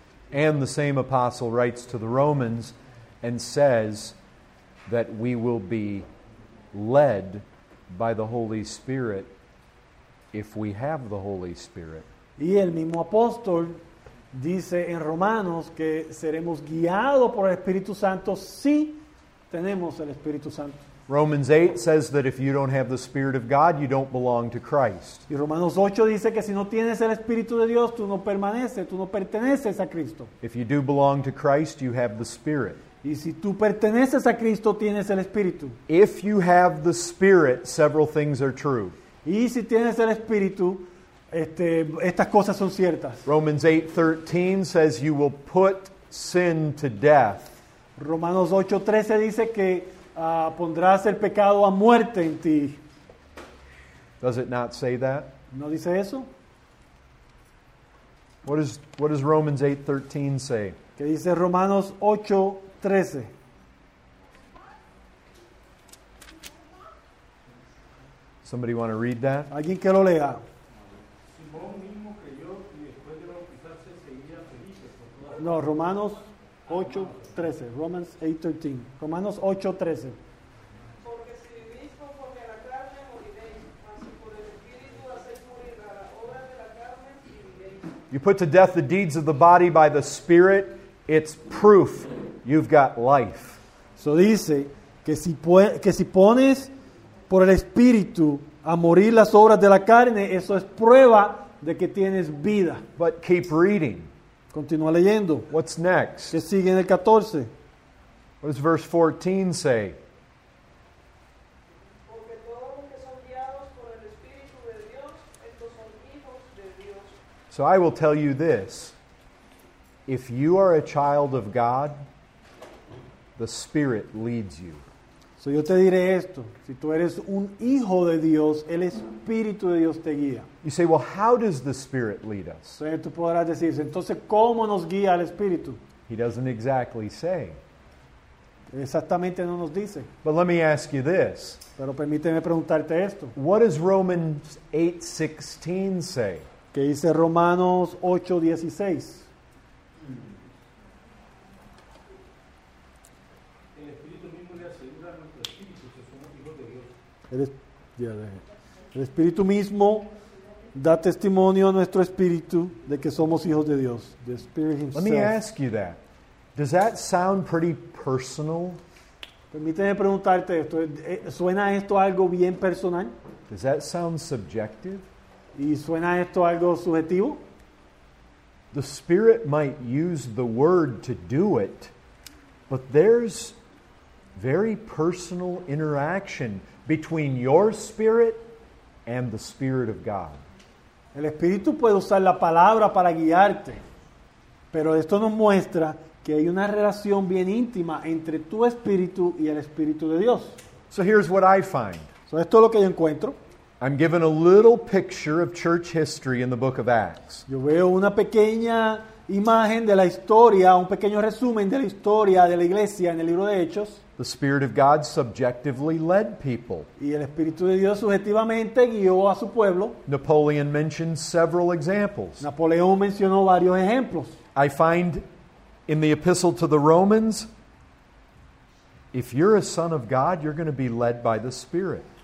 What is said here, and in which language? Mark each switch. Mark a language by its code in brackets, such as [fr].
[en] And the same apostle writes to the Romans and says that we will be led by the Holy Spirit if we have the Holy Spirit. [es] Y el mismo apóstol dice en Romanos que seremos guiados por el Espíritu Santo si tenemos el Espíritu Santo. [en] Romans 8 says that if you don't have the Spirit of God, you don't belong to Christ. [es] Y Romanos 8 dice que si no tienes el Espíritu de Dios, tú no permaneces, tú no perteneces a Cristo. [en] If you do belong to Christ, you have the Spirit. [es] Y si tú perteneces a Cristo, tienes el Espíritu. [en] If you have the Spirit, several things are true. [es] Y si tienes el Espíritu, estas cosas son ciertas. [en] Romans 8:13 says you will put sin to death. [es] Romanos 8:13 dice que pondrás el pecado a muerte en ti. [en] Does it not say that? [es] ¿No dice eso? [en] What does Romans 8:13 say? [es] ¿Qué dice Romanos 8:13? [en] Somebody want to read that? [es] ¿Alguien que lo lea? No, Romanos 8:13. Romans 8:13. Romanos 8:13. Porque si vivís conforme a la carne, moriréis. Mas si por el Espíritu hacéis morir la obra de la carne, viviréis. [en] You put to death the deeds of the body by the Spirit, it's proof you've got life. [es] So dice que si pones por el Espíritu a morir las obras de la carne, eso es prueba de que tienes vida. [en] But keep reading. [es] Continúa leyendo. [en] What's next? [es] ¿Qué sigue en el 14? [en] What does verse 14 say? [es] Porque todos los que son guiados por el Espíritu de Dios, estos son hijos de Dios. [en] So I will tell you this. If you are a child of God, the Spirit leads you. [es] So yo te diré esto. Si tú eres un hijo de Dios, el Espíritu de Dios te guía. [en] You say, well, how does the Spirit lead us? [es] So tú podrás decir, entonces, ¿cómo nos guía el Espíritu? [en] He doesn't exactly say. [es] Exactamente no nos dice. [en] But let me ask you this. [es] Pero permíteme preguntarte esto. [en] What does Romans 8:16 say? [es] ¿Qué dice Romanos 8:16? El Espíritu mismo da testimonio a nuestro espíritu de que somos hijos de Dios. [en] The Spirit himself. Let me ask you that. Does that sound pretty personal? [es] Permíteme preguntarte esto. ¿Suena esto algo bien personal? [en] Does that sound subjective? [es] ¿Y suena esto algo subjetivo? [en] The Spirit might use the word to do it, but there's very personal interaction between your spirit and the Spirit of God. [es] El Espíritu puede usar la palabra para guiarte, pero esto nos muestra que hay una relación bien íntima entre tu espíritu y el Espíritu de Dios. [en] So here's what I find. [es] So esto es lo que yo encuentro. [en] I'm given a little picture of church history in the book of Acts. [es] Yo veo una pequeña imagen de la historia, un pequeño resumen de la historia de la iglesia en el libro de Hechos. [en] The Spirit of God subjectively led people. [es] Y el Espíritu de Dios subjetivamente guió a su pueblo. [en] Napoleon mentioned several examples. [es] Napoleón mencionó varios ejemplos. [en] I find in the Epistle to the Romans, if you're a son of God, you're going to be led by the Spirit.